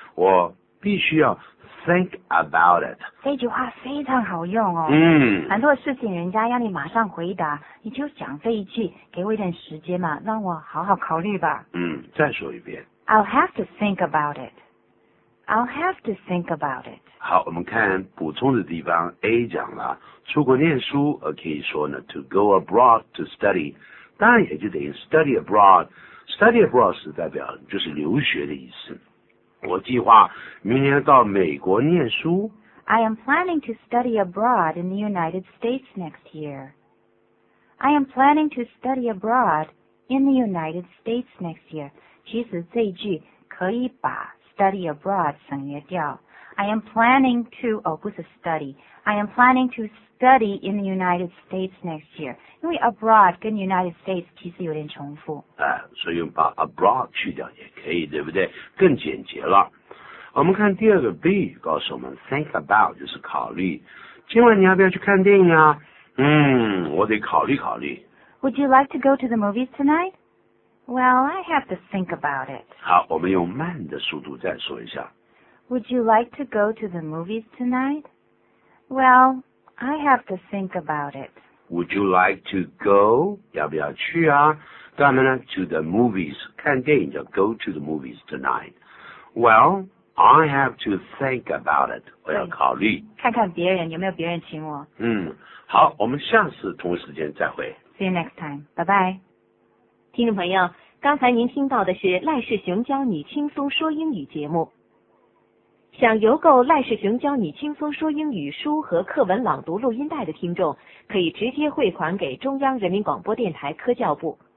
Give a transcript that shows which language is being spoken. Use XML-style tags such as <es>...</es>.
<zh>我必须要</zh> <en>think about it.</en> <zh>这句话非常好用哦。很多事情人家要你马上回答，你就讲这一句，给我一点时间嘛，让我好好考虑吧。再说一遍。</zh> <en>I'll have to think about it. I'll have to think about it.</en> <zh>好，我们看补充的地方 ，A 讲了。出国念书可以说呢</zh> <en>to go abroad to study</en> <zh>当然也就等于</zh> <en>study abroad study abroad</en> <zh>是代表就是留学的意思我计划明年到美国念书</zh> <en>I am planning to study abroad in the United States next year I am planning to study abroad in the United States next year 其实这一句可以把 study abroad 省略掉 I am planning to</en> <zh>不是</zh> <en>study I am planning to study in the United States next year.</en> <zh>因为 abroad 跟 United States 其实有点重复。所以把 abroad 去掉也可以，对不对？更简洁了。我们看第二个 B 告诉我们 ，think about 就是考虑。今晚你要不要去看电影啊？我得考虑考虑。</zh> <en>Would you like to go to the movies tonight? Well, I have to think about it.</en> <zh>好，我们用慢的速度再说一下。</zh> <en>Would you like to go to the movies tonight? Well, I have to think about it. Would you like to go?</en> <zh>要不要去啊？干嘛呢</zh> <en>？To the movies,</en> <zh>看电影叫</zh> <en>go to the movies tonight. Well, I have to think about it.</en> <zh>我要考虑。看看别人有没有别人请我。好，我们下次同一时间再会。</zh> <en>See you next time. Bye bye.</en> <zh>听众朋友，刚才您听到的是赖世雄教你轻松说英语节目。想邮购赖世雄教你轻松说英语书和课文朗读录音带的听众，可以直接汇款给中央人民广播电台科教部。</zh>